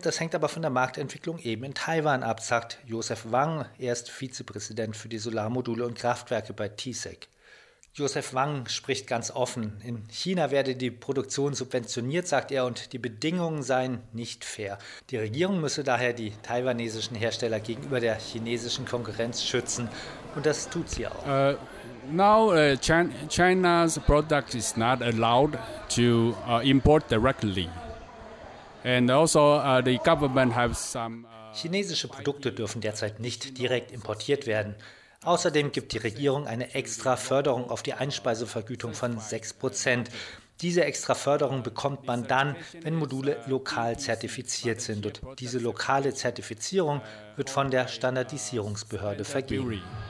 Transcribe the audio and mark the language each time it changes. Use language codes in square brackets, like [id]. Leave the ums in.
[de] Das hängt aber von der Marktentwicklung eben in Taiwan ab, sagt Josef Wang. Er ist Vizepräsident für die Solarmodule und Kraftwerke bei TSEC. Josef Wang spricht ganz offen. In China werde die Produktion subventioniert, sagt er, und die Bedingungen seien nicht fair. Die Regierung müsse daher die taiwanesischen Hersteller gegenüber der chinesischen Konkurrenz schützen. Und das tut sie auch. [en] Uh, now uh, Chin China's product is not allowed to uh, import directly. And also uh, the government have some uh, [de] Chinesische Produkte dürfen derzeit nicht direkt importiert werden. Außerdem gibt die Regierung eine extra Förderung auf die Einspeisevergütung von 6 Prozent. Diese extra Förderung bekommt man dann, wenn Module lokal zertifiziert sind. Und diese lokale Zertifizierung wird von der Standardisierungsbehörde vergeben.